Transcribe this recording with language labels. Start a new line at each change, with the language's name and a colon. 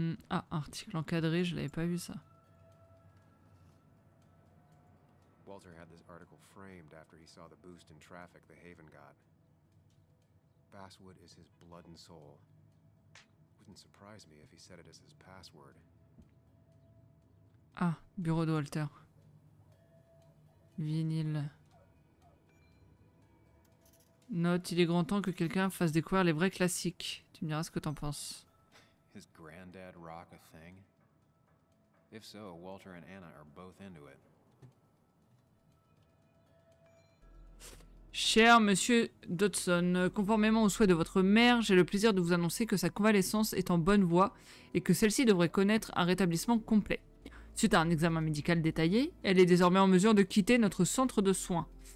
French: Ah, article encadré, je l'avais pas vu ça.
English: Walter had this article framed after he saw the boost in traffic the Haven got. Basswood is his blood and soul. Wouldn't surprise me if he said it as his password.
French: Ah, bureau de Walter. Vinyle. Note, il est grand temps que quelqu'un fasse découvrir les vrais classiques. Tu me diras ce que t'en penses.
English: His granddad rock a thing? If so, Walter and Anna are both into it.
French: Cher Monsieur Dodson, conformément aux souhaits de votre mère, j'ai le plaisir de vous annoncer que sa convalescence est en bonne voie et que celle-ci devrait connaître un rétablissement complet. Suite à un examen médical détaillé, elle est désormais en mesure de quitter notre centre de soins.